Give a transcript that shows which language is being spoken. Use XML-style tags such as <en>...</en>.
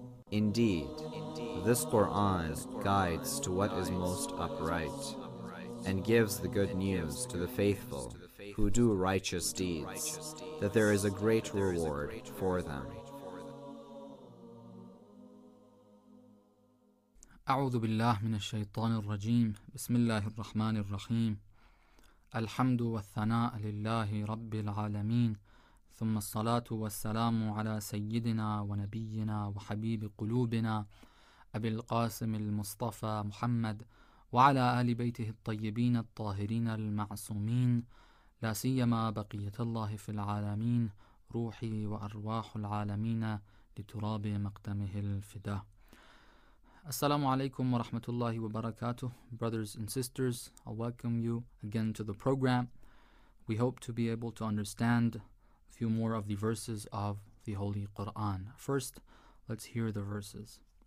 <en>Indeed, this Quran guides to what is most upright and gives the good news to the faithful who do righteous deeds, that there is a great reward for them.</en> <ar>أعوذ بالله من الشيطان الرجيم بسم الله الرحمن الرحيم الحمد والثناء لله رب العالمين ثم الصلاة والسلام على سيدنا ونبينا وحبيب قلوبنا أبي القاسم المصطفى محمد وعلى آل بيته الطيبين الطاهرين المعصومين لا سيما بقية الله في العالمين روحي وأرواح العالمين لتراب مقدمه الفداء. Assalamu alaikum wa rahmatullahi wa barakatuh.</ar> <en>Brothers and sisters, I welcome you again to the program. We hope to be able to understand a few more of the verses of the Holy Quran. First, let's hear the verses.</en>